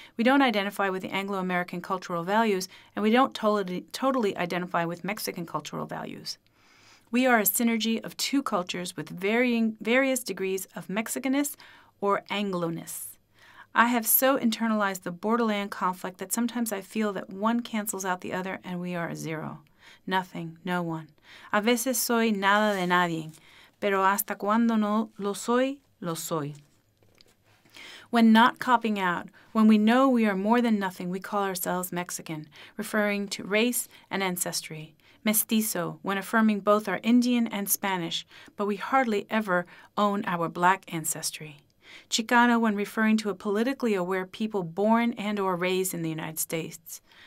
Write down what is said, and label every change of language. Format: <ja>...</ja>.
<en>We don't identify with the Anglo-American cultural values, and we don't totally identify with Mexican cultural values. We are a synergy of two cultures with various degrees of Mexicanness or Angloness. I have so internalized the borderland conflict that sometimes I feel that one cancels out the other and we are a zero. Nothing, no one.</en> <es>A veces soy nada de nadie, pero hasta cuando no lo soy, lo soy.</es> <en>When not copping out, when we know we are more than nothing, we call ourselves Mexican, referring to race and ancestry. Mestizo, when affirming both our Indian and Spanish, but we hardly ever own our Black ancestry. Chicano, when referring to a politically aware people born and or raised in the United States.</en>